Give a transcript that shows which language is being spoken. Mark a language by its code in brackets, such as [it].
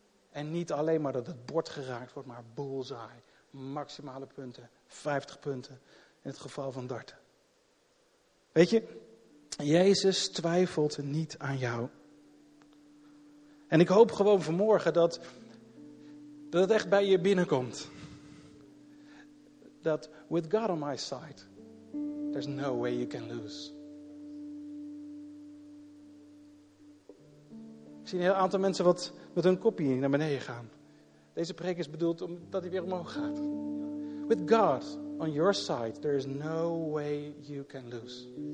[nl] En niet alleen maar dat het bord geraakt wordt, maar bullseye. Maximale punten, 50 punten in het geval van darten. Weet je, Jezus twijfelt niet aan jou. En ik hoop gewoon vanmorgen dat het echt bij je binnenkomt. [en] Dat with God on my side, there's no way you can lose. [nl] Ik zie een heel aantal mensen wat met hun kopje naar beneden gaan. Deze preek is bedoeld omdat hij weer omhoog gaat. [en] With God on your side, there is no way you can lose.